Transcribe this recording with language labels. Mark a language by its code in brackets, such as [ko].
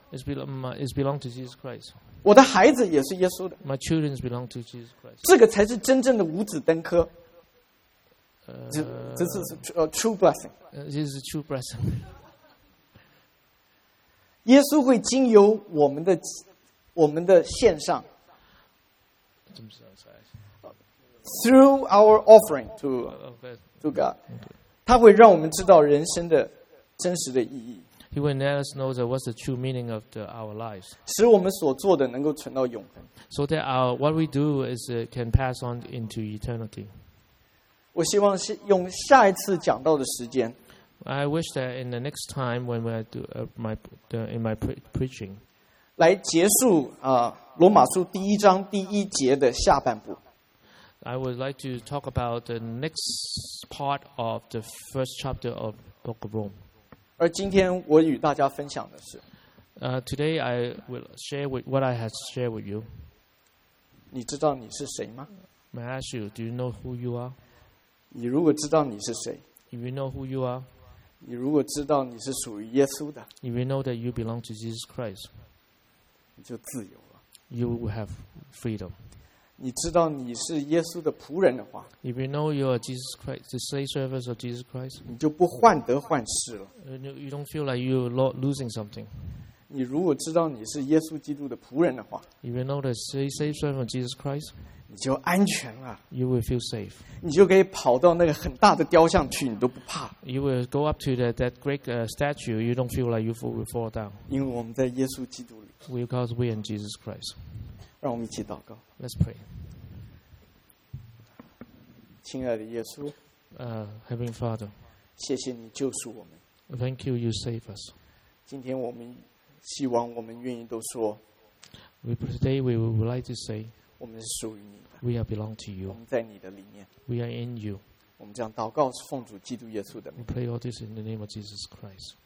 [en] Is belong to Jesus Christ. [zh] 我的孩子也是耶稣的。 [en] My children belong to Jesus Christ. [zh] 这个才是真正的五子登科。 [en] This is true blessing. This is true blessing. [zh] 耶稣会经由我们的献上。 [en] Through our offering to God, [zh] 他会让我们知道人生的真实的意义。 [en] He will let us know what's the true meaning of our lives. [zh] 使我们所做的能够存到永恒。 [en] So that our what we do is can pass on into eternity. [zh] 我希望是用下一次讲到的时间。 [en] I wish that in the next time when we do my preaching, [zh] 来结束罗马书第一章第一节的下半部。 [en] I would like to talk about the next part of the first chapter of Book of Rome. [zh] 而今天我与大家分享的是 [en] ，Today I will share with what I have shared with you。 [zh] 你知道你是谁吗 [en] ？May I ask you, do you know who you are？ [zh] 你如果知道你是谁 [en] ，If you know who you are， [zh] 你如果知道你是属于耶稣的 [en] ，If you know that you belong to Jesus Christ， [zh] 你就自由了 [en] ，You will have freedom。 [zh] 你知道你是耶稣的仆人的话 [en] ，If you know you are Jesus Christ, the slave servant of Jesus Christ, [zh] 你就不患得患失了。 [en] You don't feel like you're losing something. [zh] 你如果知道你是耶稣基督的仆人的话 [en] ，If you know the slave servant of Jesus Christ, [zh] 你就安全了。 [en] You will feel safe. [zh] 你就可以跑到那个很大的雕像去，你都不怕。 [en] You will go up to that great statue. You don't feel like you will fall down. [zh] 因为我们在耶稣基督里。 [en] Because we are in Jesus Christ. [zh] 让我们一起祷告。 [en] Let's pray. [zh] 亲爱的耶稣。 [en] Heavenly Father. [zh] 谢谢你救赎我们。 [en] Thank you. You save us. [zh] 今天我们希望我们愿意都说。 [en] Today we would like to say. [zh] 我们是属于你的。 [en] We are belong to you. [zh] 我们在你的里面。 [en] We are in you. [zh] 我们这样祷告是奉主基督耶稣的名。 [en] We pray all this in the name of Jesus Christ.